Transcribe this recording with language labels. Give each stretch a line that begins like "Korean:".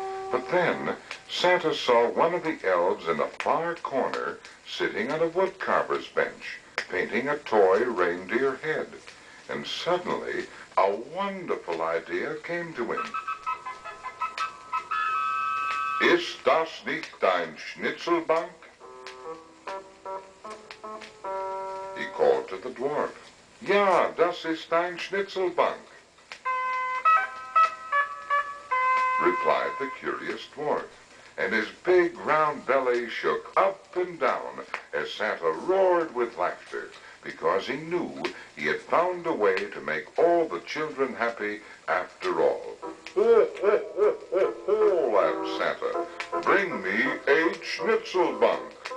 English: But then, Santa saw one of the elves in a far corner sitting on a woodcarver's bench, painting a toy reindeer head. And suddenly, a wonderful idea came to him.
German: Ist das nicht ein Schnitzelbank?
English: He called to the dwarf.
German: Ja, das ist ein Schnitzelbank,
English: replied the curious dwarf. And his big round belly shook up and down as Santa roared with laughter, because he knew he had found a way to make all the children happy after all. Ho, ho, ho, ho, laughed Santa. Bring me a Schnitzelbank.